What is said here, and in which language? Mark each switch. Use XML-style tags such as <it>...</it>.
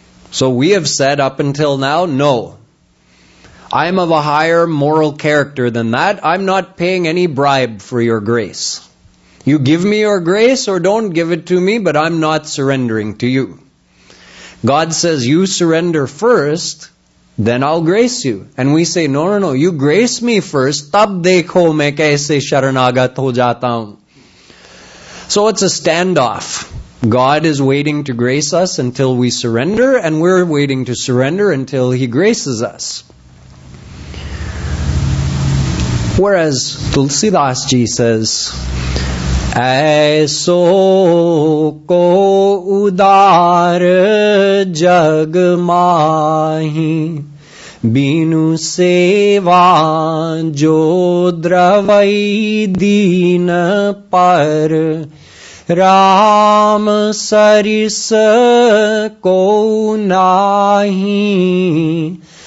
<en>So we have said up until now, no. I'm of a higher moral character than that. I'm not paying any bribe for your grace. You give me your grace or don't give it to me, but I'm not surrendering to you. God says, you surrender first, then I'll grace you. And we say, no, no, no, you grace me first.</en> <hi>तब देखो मैं कैसे शरणागत हो जाता हूँ.</hi> <en>So it's a standoff. God is waiting to grace us until we surrender, and we're waiting to surrender until he graces us.</en> <hi>Whereas Tulsidas ji says, ऐसो को उदार जग माही, बिनु सेवा जो द्रवै दीन पर, राम सरिस को नाही</hi>